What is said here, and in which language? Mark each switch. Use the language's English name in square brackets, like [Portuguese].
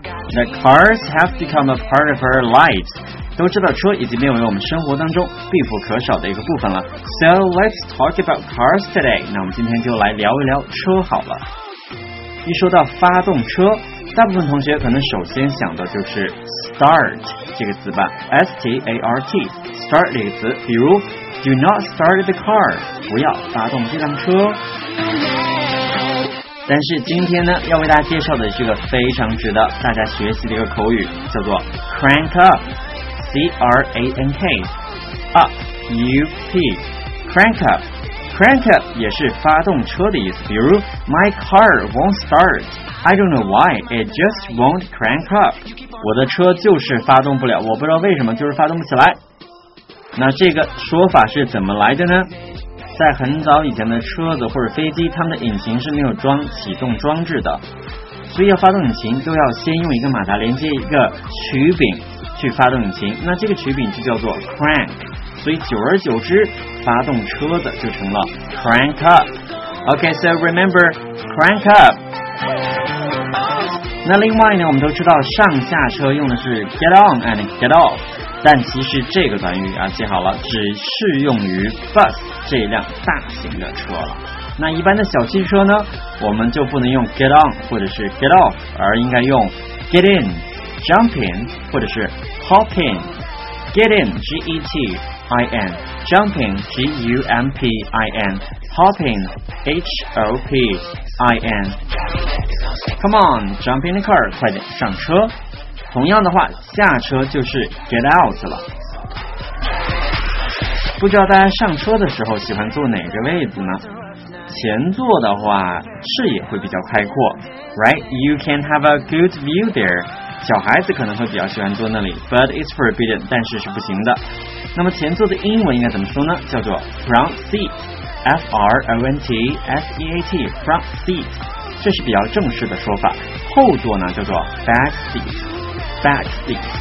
[English] The cars have become a part of our lives. [Chinese] 都知道车已经变为我们生活当中必不可少的一个部分了。 [English] So let's talk about cars today. [Chinese] 那我们今天就来聊一聊车好了。一说到发动车，大部分同学可能首先想的就是 start 这个词吧， S-T-A-R-T, start 这个词。比如 [English] do not start the car, [Chinese] 不要发动这辆车。但是今天呢，要为大家介绍的是一个非常值得大家学习的一个口语，叫做 crank up。 [English] C-R-A-N-K Up U-P Crank up Crank up [Chinese] 也是发动车的意思，比如 [English] My car won't start, I don't know why, it just won't crank up. [Chinese] 我的车就是发动不了，我不知道为什么就是发动不起来。那这个说法是怎么来的呢？在很早以前的车子或者飞机，它们的引擎是没有装启动装置的，所以要发动引擎都要先用一个马达连接一个曲柄去发动引擎，那这个曲柄就叫做 crank, 所以久而久之发动车子就成了 crank up. [English] OK, so remember crank up. [Chinese] 那另外呢，我们都知道上下车用的是 get on and get off, 但其实这个短语啊，记好了，只适用于 bus 这辆大型的车了。那一般的小汽车呢，我们就不能用 get on 或者是 get off, 而应该用 get inJump in, 或者是 hop in. [English] Get in, G-E-T-I-N. Jump in, G-U-M-P-I-N. Hop in, H-O-P-I-N. Come on, jump in the car, [Chinese] 快点上车。同样的话，下车就是 get out 了。不知道大家上车的时候喜欢坐哪个位子呢？前座的话，视野会比较开阔， right? [English] You can have a good view there. [Chinese] 小孩子可能会比较喜欢坐那里， [English] but it's forbidden, [Chinese] 但是是不行的。那么前座的英文应该怎么说呢？叫做 front seat, F-R-O-N-T-S-E-A-T, front seat, 这是比较正式的说法。后座呢叫做 back seat, back seat。